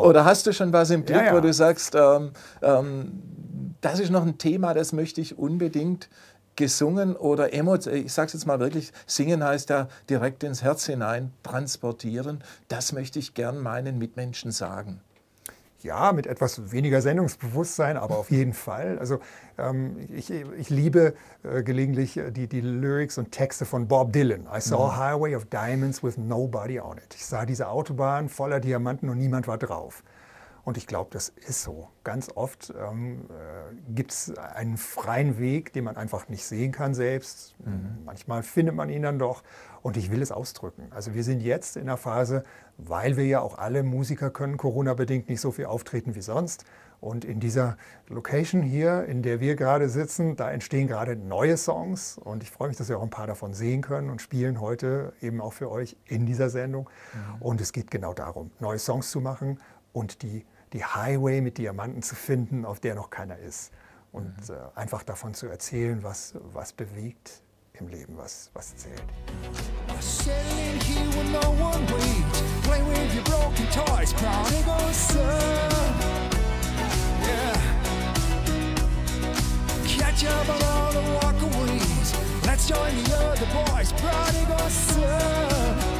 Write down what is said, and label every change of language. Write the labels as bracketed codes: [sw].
[de] Oder hast du schon was im Blick, wo du sagst, das ist noch ein Thema, das möchte ich unbedingt gesungen oder ich sage es jetzt mal wirklich, singen heißt ja direkt ins Herz hinein transportieren. Das möchte ich gern meinen Mitmenschen sagen. Ja, mit etwas weniger Sendungsbewusstsein, aber auf jeden Fall. Also ich liebe gelegentlich die Lyrics und Texte von Bob Dylan. [en] I saw a highway of diamonds with nobody on it. [de] Ich sah diese Autobahn voller Diamanten und niemand war drauf. Und ich glaube, das ist so. Ganz oft gibt es einen freien Weg, den man einfach nicht sehen kann selbst. Manchmal findet man ihn dann doch. Und ich will es ausdrücken. Also wir sind jetzt in der Phase, weil wir ja auch alle Musiker können, Corona-bedingt nicht so viel auftreten wie sonst. Und in dieser Location hier, in der wir gerade sitzen, da entstehen gerade neue Songs. Und ich freue mich, dass wir auch ein paar davon sehen können und spielen heute eben auch für euch in dieser Sendung. Und es geht genau darum, neue Songs zu machen und die Highway mit Diamanten zu finden, auf der noch keiner ist. Und einfach davon zu erzählen, was bewegt im Leben, was zählt. [en] I sit in here with no one wait. Play with your broken toys, prodigal son. Yeah. Catch up on all the walkaways. Let's join the other boys, prodigal son.